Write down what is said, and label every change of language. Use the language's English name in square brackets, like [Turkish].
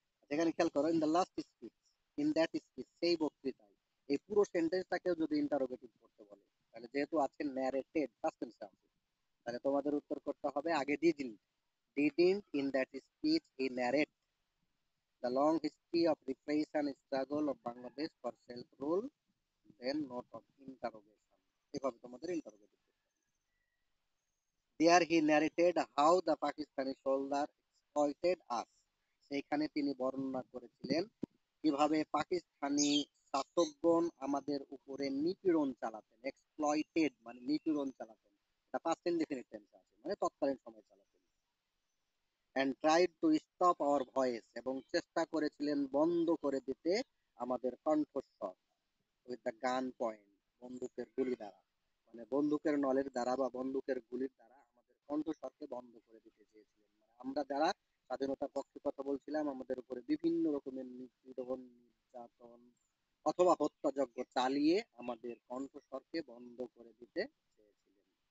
[Bangla] এখানে খেয়াল করো, [English] in the last speech, in that speech, [Bangla] সেই বক্তৃতায়, এই পুরো সেন্টেন্সটাকে যদি ইন্টারোগেটিভ করতে বলে, তাহলে যেহেতু আছে ন্যারেটেড পাস্ট টেন্সে আছে, তাহলে তোমাদের উত্তর করতে হবে আগে didn't, [English] in that speech he narrate the long history of repression struggle of Bangladesh for self rule, [Bangla] then note of interrogation, এভাবে তোমাদের interrogative. [English] There he narrated how the Pakistani soldier exploited us. [Bangla] সেখানে তিনি বর্ণনা করেছিলেন কিভাবে পাকিস্তানি শাসকগণ আমাদের উপরে নিপীড়ন চালাতেন, exploited মানে নিপীড়ন চালাতেন, এটা past indefinite tense আছে, মানে তৎকালীন সময় চালাতেন, [English] and tried to stop our voice, [Bangla] এবং চেষ্টা করেছিলেন বন্ধ করে দিতে আমাদের কণ্ঠস্বর [English] with the gun point, [Bangla] বন্দুকের গুলি দ্বারা, মানে বন্দুকের নলের দ্বারা বা বন্দুকের গুলির দ্বারা আমাদের কণ্ঠস্বরকে বন্ধ করে দিতে চেয়েছিলেন, মানে আমরা যারা স্বাধীনতার পক্ষে কথা বলছিলাম আমাদের উপরে বিভিন্ন রকমের নিপীড়ন, নির্যাতন অথবা হত্যাযজ্ঞ চালিয়ে আমাদের কণ্ঠস্বরকে বন্ধ করে দিতে চেয়েছিলেন।